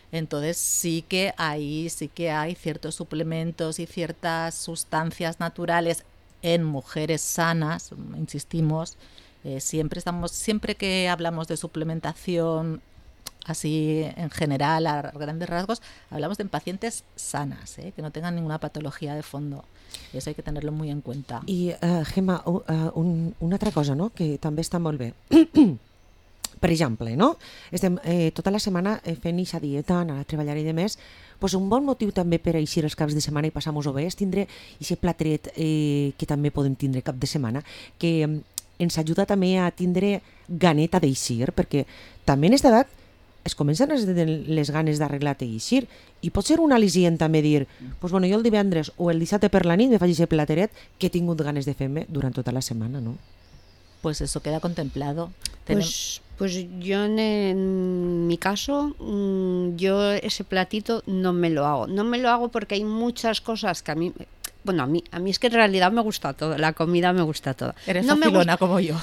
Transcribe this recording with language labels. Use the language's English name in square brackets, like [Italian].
[Spanish] Entonces sí que ahí sí que hay ciertos suplementos y ciertas sustancias naturales en mujeres sanas, insistimos. Siempre que hablamos de suplementación así en general, a grandes rasgos, hablamos de pacientes sanas, ¿eh?, que no tengan ninguna patología de fondo. [Catalan] I això [Spanish] hay que tenerlo muy en cuenta. [Catalan] I Gemma, una altra cosa, no?, que també està molt bé. Per exemple, no? Estem tota la setmana fent eixa dieta, anar a treballar i demés, pues un bon motiu també per eixir els caps de setmana i passar-nos-ho bé és tindre aquest platret que també podem tindre cap de setmana, que ens ajuda també a tindre ganeta d'eixir, perquè també en aquesta edat es comencen les ganes d'arreglar-te i eixir. I pot ser un al·licient també dir, pues bueno, jo el divendres o el dissabte per la nit me faig aquest plateret que he tingut ganes de fer-me durant tota la setmana, no? [Spanish] Pues eso queda contemplado. Pues yo en mi caso, yo ese platito no me lo hago. No me lo hago porque hay muchas cosas que a mí... Bueno, a mí es que en realidad me gusta todo, la comida me gusta todo. Eres no facilona como yo.